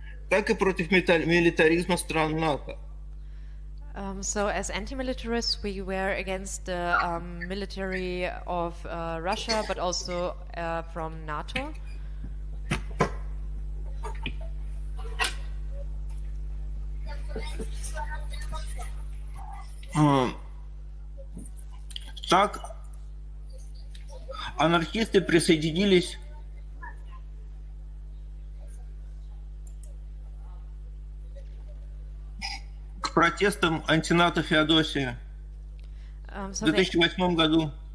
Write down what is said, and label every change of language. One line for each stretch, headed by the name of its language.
Russian: так и против милитаризма стран НАТО.
English: So as anti-militarists, we were against the military of Russia, but also from NATO.
Russian: Так, анархисты присоединились. Протестом антинато Феодосия в 2008 году.